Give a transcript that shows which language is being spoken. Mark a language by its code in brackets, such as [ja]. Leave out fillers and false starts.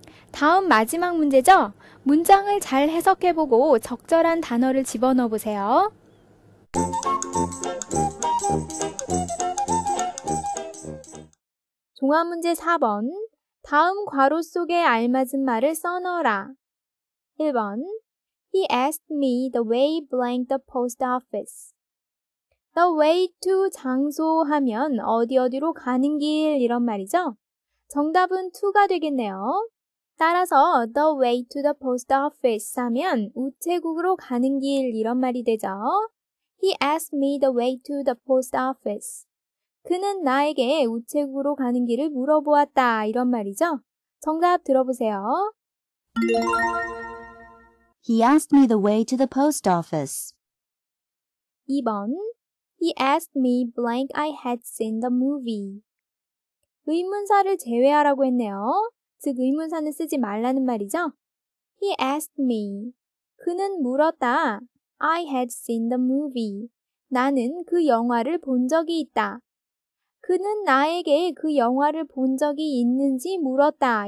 [ko] 다음 마지막 문제죠? 문장을 잘 해석해보고 적절한 단어를 집어넣어보세요. 종합문제 4번 다음 괄호 속에 알맞은 말을 써넣어라. [en] 1번 He asked me the way blank the post office. The way to [ko] 장소 하면 어디 어디로 가는 길 이런 말이죠? 정답은 to가 되겠네요. 따라서 [en] the way to the post office [ko] 하면 우체국으로 가는 길 이런 말이 되죠. [en] He asked me the way to the post office. [ko] 그는 나에게 우체국으로 가는 길을 물어보았다 이런 말이죠. 정답 들어보세요. [en] He asked me the way to the post office. [ko] 2번. [en] He asked me blank I had seen the movie. [ko] 의문사를 제외하라고 했네요. 즉, 의문사는 쓰지 말라는 말이죠. [en] He asked me. [ko] 그는 물었다. [en] I had seen the movie. [ko] 나는 그 영화를 본 적이 있다. 그는 나에게 그 영화를 본 적이 있는지 물었다.